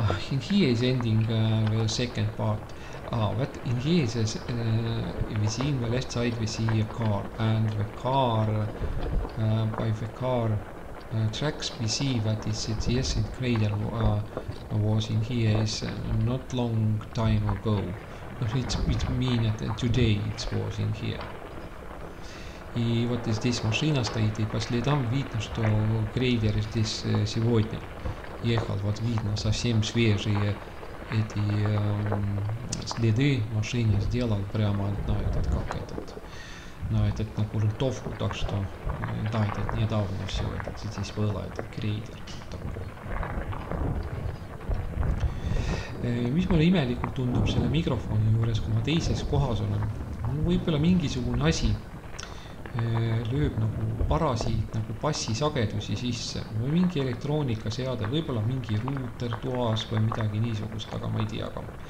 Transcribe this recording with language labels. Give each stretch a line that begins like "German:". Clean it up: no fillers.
English: In here is ending the second part. But in here is we see in the left side we see a car, and the car by the car tracks we see that it's yes, it crater was in here is not long time ago. But it mean that today it was in here.
Russian: И вот здесь машина стоит, и по следам видно, что крейдер здесь сегодня ехал. Вот видно совсем свежие эти следы машины сделал прямо на этот, как этот, на этот, на грунтовку. Так что, да, этот недавно все это здесь было, этот крейдер.
Estonian: Mis mulle imelikult tundub selle mikrofoni juures, kui ma teises kohas olen, võib-olla mingisugune asi. lööb nagu parasiit nagu passi sagedusi sisse või mingi elektroonika seade, võibolla mingi ruuter toas või midagi niisugust, aga ma ei tea ka.